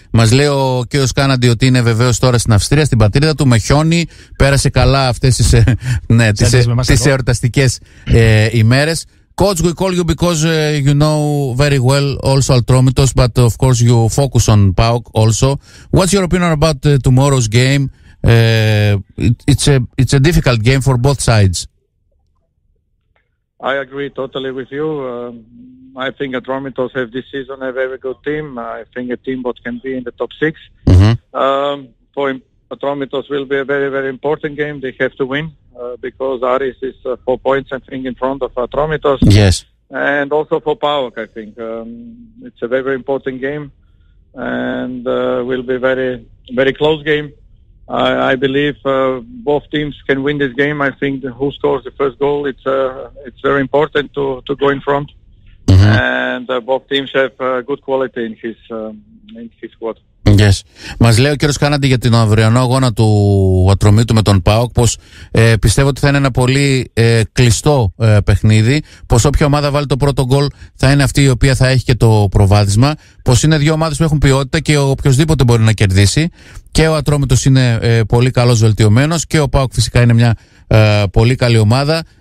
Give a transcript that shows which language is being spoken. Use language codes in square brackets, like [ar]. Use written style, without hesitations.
[el] Μας λέει ο κύριος Κάναντι ότι είναι βεβαίως τώρα στην Αυστρία, στην πατρίδα του, με χιόνι, πέρασε καλά αυτές τις εορταστικές ημέρες. [en] Coach, we call you because you know very well also Ατρόμητος, but of course you focus on ΠΑΟΚ also. What's your opinion about tomorrow's game? It's a difficult game for both sides. I agree totally with you. I think Ατρόμητος have this season a very good team. I think a team that can be in the top six. Mm-hmm. For Ατρόμητος will be a very, very important game. They have to win because Aris is 4 points, I think, in front of Ατρόμητος. Yes. And also for ΠΑΟΚ, I think. It's a very important game and will be a very, very close game. I believe both teams can win this game. I think who scores the first goal, it's very important to go in front. And both teams have good quality in his squad. Yes. [el] Μας λέει ο κύριος Κάναντι για την αυριανό αγώνα του Ατρομήτου με τον ΠΑΟΚ πως πιστεύω ότι θα είναι ένα πολύ κλειστό παιχνίδι, πως όποια ομάδα βάλει το πρώτο γκολ θα είναι αυτή η οποία θα έχει και το προβάδισμα, πως είναι δύο ομάδες που έχουν ποιότητα και οποιοδήποτε μπορεί να κερδίσει, και ο Ατρόμητος είναι πολύ καλός βελτιωμένος και ο ΠΑΟΚ φυσικά είναι μια πολύ καλή ομάδα.